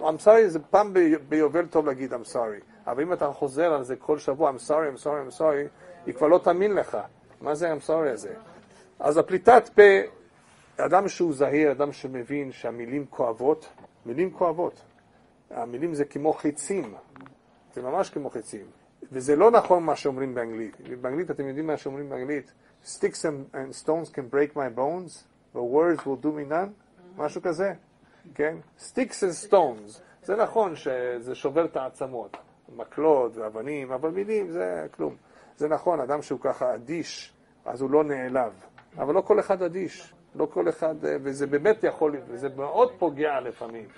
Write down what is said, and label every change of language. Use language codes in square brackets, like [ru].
[en] I'm sorry [he] זה פעם ביובל טוב להגיד I'm sorry, אבל אם אתה חוזר על זה כל שבוע I'm sorry, I'm sorry, I'm sorry, היא כבר לא תאמין לך. מה זה I'm sorry הזה? אז הפליטת פה, אדם שהוא זהיר, אדם שמבין שהמילים כואבות, מילים כואבות, המילים זה כמו חיצים, זה ממש כמו חיצים. וזה לא נכון מה שאומרים באנגלית. באנגלית, אתם יודעים מה שאומרים באנגלית? [en] Sticks and stones can break my bones, but words will do me none. [he] משהו כזה, כן? [en] Sticks and stones. [he] זה נכון שזה שובר את העצמות, מקלות ואבנים, אבל מילים זה כלום. זה נכון, אדם שהוא ככה אדיש, אז הוא לא נעלב. אבל לא כל אחד אדיש. לא כל אחד, וזה באמת יכול, וזה מאוד פוגע לפעמים.